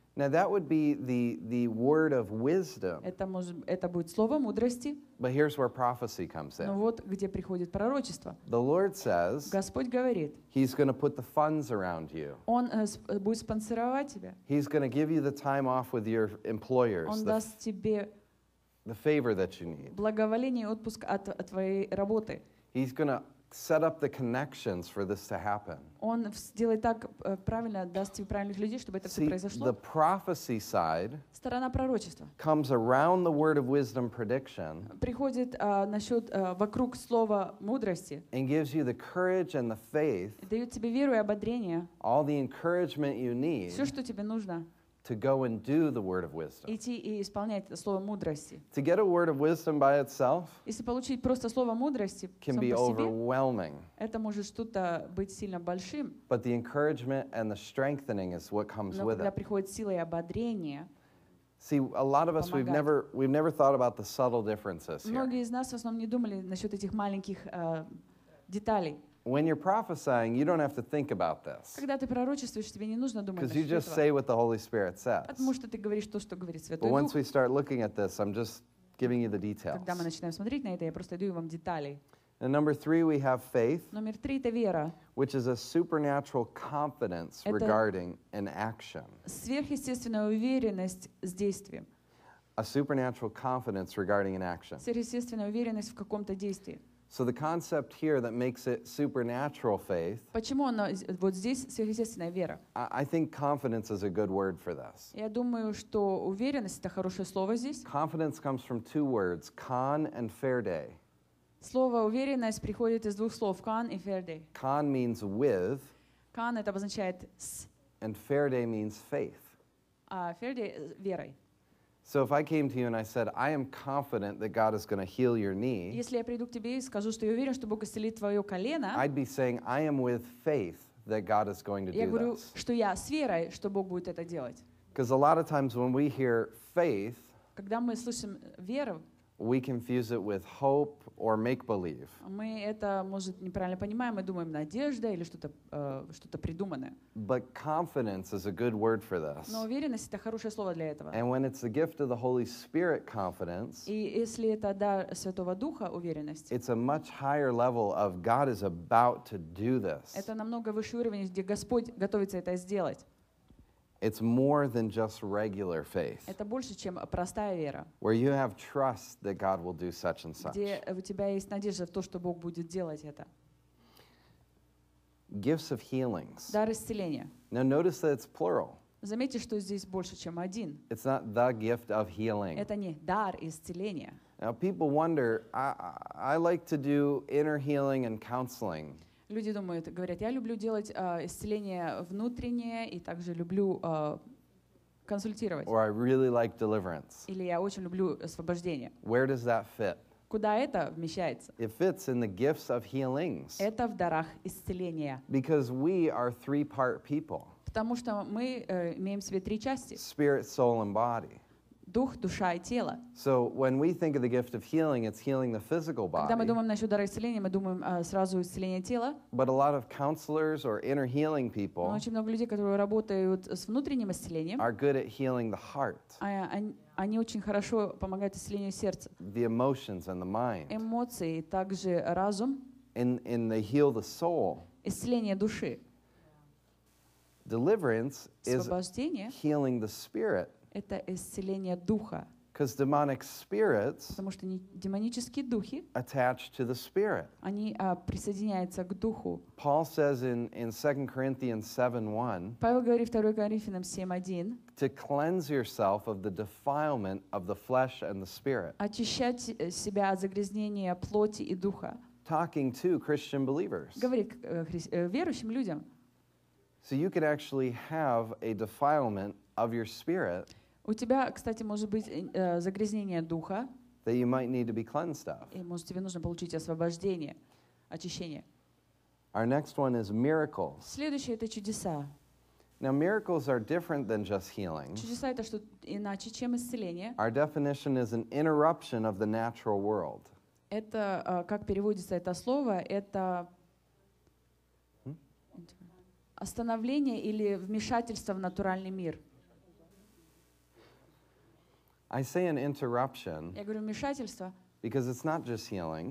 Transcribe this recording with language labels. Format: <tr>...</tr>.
<en>Now that would be the word of wisdom.</en> <ru>Это будет слово мудрости.</ru> <en>But here's where prophecy comes in.</en> <ru>Но вот где приходит пророчество.</ru> <en>The Lord says.</en> <ru>Господь говорит.</ru> <en>He's going to put the funds around you.</en> <ru>Он будет спонсировать тебя.</ru> <en>He's going to give you the time off with your employers.</en> <ru>Он даст тебе.</ru> <en>The favor that you need.</en> <ru>Благоволение и отпуск от твоей работы.</ru> <en>He's going to set up the connections for this to happen.</en> <ru>Он сделает так правильно, даст тебе правильных людей, чтобы это все произошло.</ru> <en>The prophecy side.</en> <ru>Сторона пророчества.</ru> <en>Comes around the word of wisdom prediction.</en> <ru>Приходит насчет вокруг слова мудрости.</ru> <en>And gives you the courage and the faith.</en> <ru>Дает тебе веру и ободрение.</ru> <en>All the encouragement you need.</en> <ru>Все, что тебе нужно.</ru> <en>to go and do the word of wisdom.</en> <ru>Идти и исполнять это слово мудрости.</ru> <en>To get a word of wisdom by itself.</en> <ru>Если получить просто слово мудрости.</ru> <en>Can be overwhelming.</en> <ru>Это может что-то быть сильно большим.</ru> <en>But the encouragement and the strengthening is what comes with it.</en> <ru>Но когда приходит сила и ободрение.</ru> <en>See, a lot of us we've never thought about the subtle differences here.</en> <ru>Многие из нас в основном не думали насчет этих маленьких деталей.</ru> <en>When you're prophesying, you don't have to think about this.</en> <ru>Когда ты пророчествуешь, тебе не нужно думать.</ru> <en>Because you just say what the Holy Spirit says.</en> <ru>Потому что ты говоришь то, что говорит Святой Дух.</ru> <en>But once we start looking at this, I'm just giving you the details.</en> <ru>Когда мы начинаем смотреть на это, я просто даю вам детали.</ru> <en>And number three, we have faith.</en> <ru>Номер три — это вера.</ru> <en>Which is a supernatural confidence regarding an action.</en> <ru>Сверхъестественная уверенность с действием.</ru> <en>A supernatural confidence regarding an action.</en> <ru>Сверхъестественная уверенность в каком-то действии.</ru> <en>So the concept here that makes it supernatural faith.</en> <ru>Почему она вот здесь сверхъестественная вера?</ru> <en>I think confidence is a good word for this.</en> <ru>Я думаю, что уверенность — это хорошее слово здесь.</ru> <en>Confidence comes from two words, con and ferde.</en> <ru>Слово уверенность приходит из двух слов, con и ferde.</ru> <en>Con means with.</en> <ru>Con — это обозначает с.</ru> <en>And ferde means faith.</en> <ru>Ferde — верой.</ru> <en>So if I came to you and I said, I am confident that God is going to heal your knee.</en> <ru>Если я приду к тебе и скажу, что я уверен, что Бог исцелит твое колено.</ru> <en>I'd be saying, I am with faith that God is going to do this.</en> <ru>Я говорю, что я с верой, что Бог будет это делать.</ru> <en>Because a lot of times when we hear faith.</en> <ru>Когда мы слышим веру.</ru> <en>We confuse it with hope or make believe.</en> <ru>Мы это, может, неправильно понимаем, мы думаем надежда или что-то придуманное.</ru> <en>But confidence is a good word for this.</en> <ru>Но уверенность — это хорошее слово для этого.</ru> <en>And when it's the gift of the Holy Spirit, confidence.</en> <ru>И если это дар Святого Духа, уверенность.</ru> <en>It's a much higher level of God is about to do this.</en> <ru>Это намного выше уровень, где Господь готовится это сделать.</ru> <en>It's more than just regular faith.</en> <ru>Это больше, чем простая вера.</ru> <en>Where you have trust that God will do such and such.</en> <ru>Где у тебя есть надежда в то, что Бог будет делать это.</ru> <en>Gifts of healings.</en> <ru>Дар исцеления.</ru> <en>Now notice that it's plural.</en> <ru>Заметьте, что здесь больше, чем один.</ru> <en>It's not the gift of healing.</en> <ru>Это не дар исцеления.</ru> <en>Now people wonder, I like to do inner healing and counseling.</en> <ru>Люди думают, говорят, я люблю делать исцеление внутреннее и также люблю консультировать.</ru> <en>Or I really like deliverance.</en> <ru>Или я очень люблю освобождение.</ru> <en>Where does that fit?</en> <ru>Куда это вмещается?</ru> <en>It fits in the gifts of healings.</en> <ru>Это в дарах исцеления.</ru> <en>Because we are three-part people.</en> <ru>Потому что мы имеем в себе три части.</ru> <en>Spirit, soul, and body.</en> <ru>Дух, душа и тело.</ru> <en>So when we think of the gift of healing, it's healing the physical body.</en> <ru>Когда мы думаем насчет дара исцеления, мы думаем сразу исцеление тела.</ru> <en>But a lot of counselors or inner healing people.</en> <ru>Но очень много людей, которые работают с внутренним исцелением.</ru> <en>Are good at healing the heart.</en> <ru>Они очень хорошо помогают исцелению сердца.</ru> <en>The emotions and the mind.</en> <ru>Эмоции, также разум.</ru> <en>And they heal the soul.</en> <ru>Исцеление души.</ru> <en>Deliverance is healing the spirit.</en> <ru>Это исцеление духа.</ru> <en>Because demonic spirits.</en> <ru>Потому что демонические духи.</ru> <en>Attached to the spirit.</en> <ru>Они присоединяются к духу.</ru> <en>Paul says in 2 Corinthians 7:1.</en> <ru>Павел говорит 2 Коринфянам 7:1.</ru> <en>To cleanse yourself of the defilement of the flesh and the spirit.</en> <ru>Очищать себя от загрязнения плоти и духа.</ru> <en>Talking to Christian believers.</en> <ru>Говорит верующим людям.</ru> <en>So you could actually have a defilement of your spirit.</en> <ru>У тебя, кстати, может быть загрязнение духа.</ru> <en>That you might need to be cleansed of.</en> <ru>И может тебе нужно получить освобождение, очищение.</ru> <en>Our next one is miracles.</en> <ru>Следующее — это чудеса.</ru> <en>Now miracles are different than just healing.</en> <ru>Чудеса — это что иначе, чем исцеление.</ru> <en>Our definition is an interruption of the natural world.</en> <ru>Это как переводится это слово? Это остановление или вмешательство в натуральный мир.</ru> <en>I say an interruption.</en> <ru>Я говорю вмешательство.</ru> <en>Because it's not just healing.</en>